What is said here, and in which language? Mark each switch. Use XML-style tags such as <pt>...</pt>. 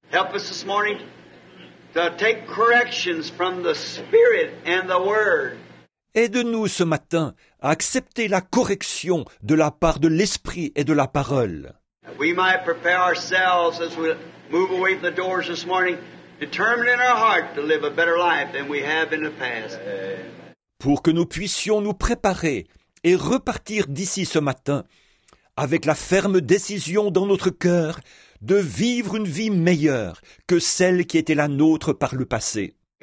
<en>Help us this morning to take corrections from the Spirit and the Word.</en> <fr>Aide-nous ce matin à accepter la correction de la part de l'Esprit et de la parole.</fr> <en>We might prepare ourselves as we move away from the doors this morning, determined in our heart to live a better life than we have in the past.</en> <fr>Pour que nous puissions nous préparer et repartir d'ici ce matin avec la ferme décision dans notre cœur de vivre une vie meilleure que celle qui était la nôtre par le passé.</fr>